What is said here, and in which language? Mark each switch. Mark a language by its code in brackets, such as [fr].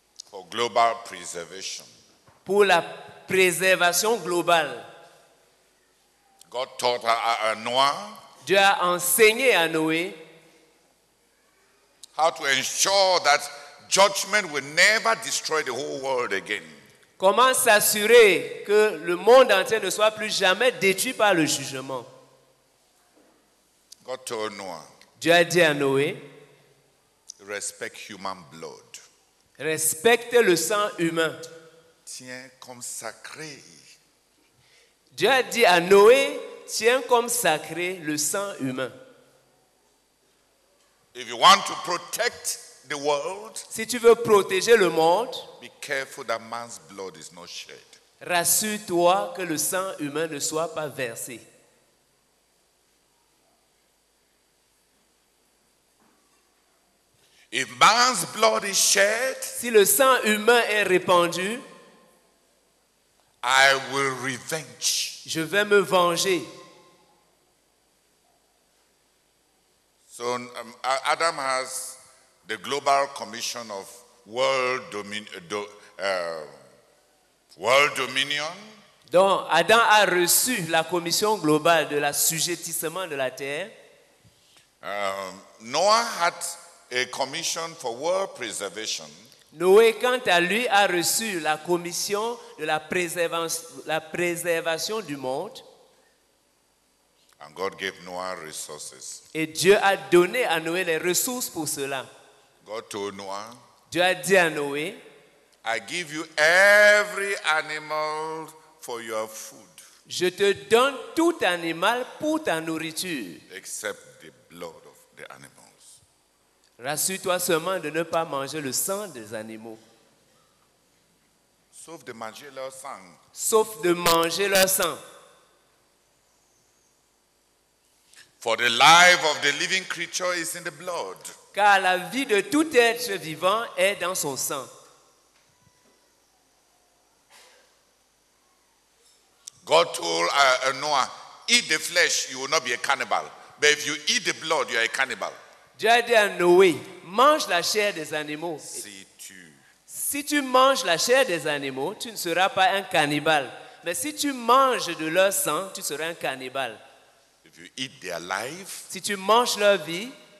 [en] For global preservation. [fr] Pour la préservation globale. [en] God taught a Noah. [fr] Dieu a enseigné à Noé. [en] How to ensure that judgment will never destroy the whole world again. [fr] Comment s'assurer que le monde entier ne soit plus jamais détruit par le jugement. [en] God told Noah. [fr] Dieu a dit à Noé. [en] Respect human blood. [fr] Respecte le sang humain. Tiens comme sacré. Dieu a dit à Noé, tiens comme sacré le sang humain. [en] If you want to protect the world, [fr] si tu veux protéger le monde, [en] be careful that man's blood is not shed. [fr] Rassure-toi que le sang humain ne soit pas versé. [en] If man's blood is shed, [fr] si le sang humain est répandu, [en] I will revenge. [fr] Je vais me venger. [en] So Adam has the global commission of world dominion. [fr] Donc Adam a reçu la commission globale de l'assujettissement de la terre. [en] Noah had a commission for world preservation. [fr] Noé, quant à lui, a reçu la commission de la préservation du monde. [en] And God gave Noah resources. [fr] Et Dieu a donné à Noé les ressources pour cela. [en] God told Noah, [fr] Dieu a dit à Noé, [en] I give you every animal for your food. [fr] Je te donne tout animal pour ta nourriture. [en] Except the blood of the animal. [fr] Rassure-toi seulement de ne pas manger le sang des animaux. Sauf de manger leur sang. Sauf de manger leur sang. [en] For the life of the living creature is in the blood. [fr] Car la vie de tout être vivant est dans son sang. [en] God told Noah, eat the flesh, you will not be a cannibal. But if you eat the blood, you are a cannibal. [fr] Dieu a dit à Noé, mange la chair des animaux. Si tu manges la chair des animaux, tu ne seras pas un cannibale. Mais si tu manges de leur sang, tu seras un cannibale. [en] If you eat their life, [fr] si tu manges leur vie,